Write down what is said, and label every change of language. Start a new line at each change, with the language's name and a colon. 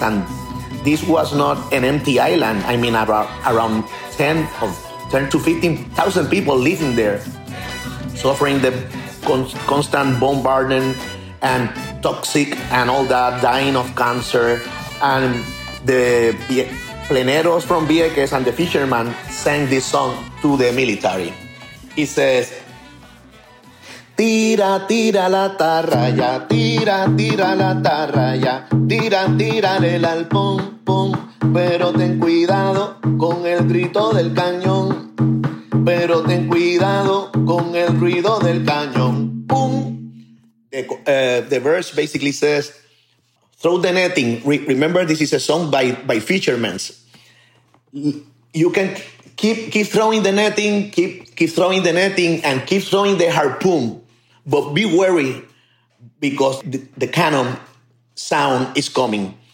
English: And this was not an empty island. I mean, around 10 to 15,000 people living there, suffering the constant bombardment and toxic and all that, dying of cancer. And the pleneros from Vieques and the fishermen sang this song to the military. It says,
Spanish: tira, tira la tarraya, tira, tira la tarraya, tira, tira el alpón, pum, pero ten cuidado con el grito del cañón. Pero ten cuidado con el ruido del cañón.
English: Boom. The verse basically says, throw the netting. Remember, this is a song by fishermen. You can keep throwing the netting, keep throwing the netting, and keep throwing the harpoon. But be wary, because the cannon sound is coming.